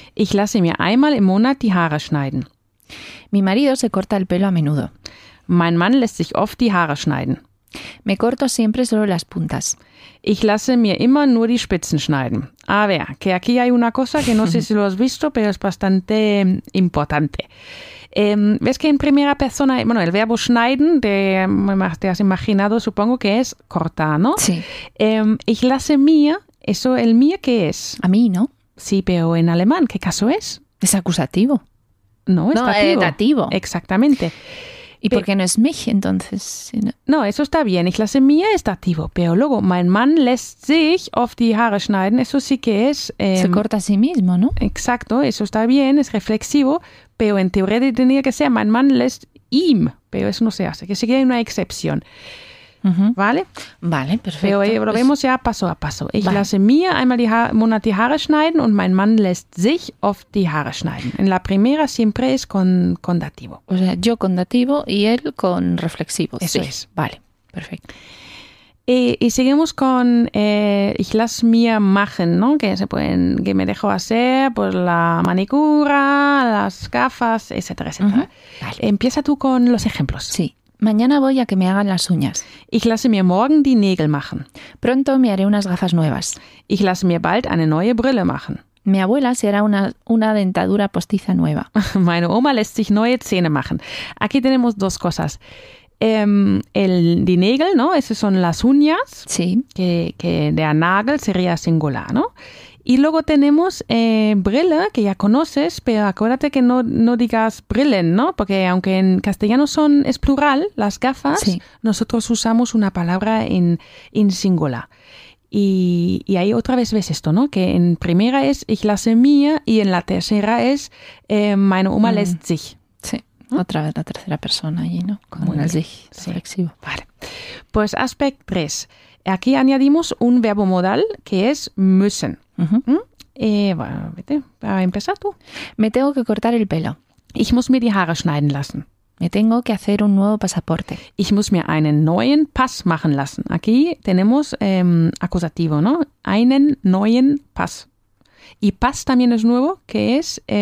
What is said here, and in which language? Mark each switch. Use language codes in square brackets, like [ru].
[de] Ich lasse mir einmal im Monat die Haare schneiden. [es] Mi marido se corta el pelo a menudo. [de] Mein Mann lässt sich oft die Haare schneiden. [es] Me corto siempre solo las puntas. [de] Ich lasse mir immer nur die Spitzen schneiden. [es] A ver, que aquí hay una cosa que no sé si lo has visto, pero es bastante importante. ¿Ves que en primera persona, bueno, el verbo schneiden, te has imaginado, supongo que es cortar, ¿no? Sí. [de] Ich lasse mir... [es] Eso, ¿el mir qué es? A mí, ¿no? Sí, pero en alemán, ¿qué caso es? Es acusativo. No, es dativo. No, dativo. Exactamente. ¿Y por qué no es mich, entonces? No, eso está bien. [de] Ich lasse mir [es] es dativo. Pero luego, [de] mein Mann lässt sich auf die Haare schneiden. [es] Eso sí que es... Se corta a sí mismo, ¿no? Exacto, eso está bien, es reflexivo. Pero en teoría tenía que ser [de] mein Mann lässt ihm. [es] Pero eso no se hace, que sí que hay una excepción. Uh-huh. ¿Vale? Vale, perfecto. Pero lo vemos ja paso a paso. Ich vale. [de] lasse mir einmal Monat die Haare schneiden und mein Mann lässt sich oft die Haare schneiden. [es] En la primera siempre es con dativo. O sea, yo con dativo y él con reflexivo. Eso sí. es. Vale, perfecto. Y seguimos con [de] ich lasse mir machen, [es] ¿no? Que se pueden, que me dejo hacer pues la manicura, las gafas, etcétera, etcétera. Uh-huh. Vale. Empieza tú con los ejemplos. Sí. Mañana voy a que me hagan las uñas. [de] Ich lasse mir morgen die Nägel machen. [es] Pronto me haré unas gafas nuevas. [de] Ich lasse mir bald eine neue Brille machen. [es] Mi abuela se hará una dentadura postiza nueva. [de] Meine Oma lässt sich neue Zähne machen. [es] Aquí tenemos dos cosas. Die Nägel, ¿no? Esas son las uñas. Sí. Que der Nagel sería singular, ¿no? Y luego tenemos Brille, que ya conoces, pero acuérdate que no digas Brillen, ¿no? Porque aunque en castellano es plural, las gafas, sí. nosotros usamos una palabra en singular. y ahí otra vez ves esto, ¿no? Que en primera es [de] ich lasse mir [es] y en la tercera es [de] meine Oma lässt sich. [es] Sí, ¿no? Otra vez la tercera persona allí, ¿no? Como en el sich, reflexivo. Sí. Vale. Pues aspect 3. Aquí añadimos un verbo modal que es müssen. Uh-huh. Bueno, vete, a empezar tú. Me tengo que cortar el pelo. [de] Ich muss mir die Haare schneiden lassen. [es] Me tengo que hacer un nuevo pasaporte. [de] Ich muss mir einen neuen Pass machen lassen. [es] Aquí tenemos acusativo, ¿no? [de] Einen neuen Pass. [es] Y Pass también es nuevo, que es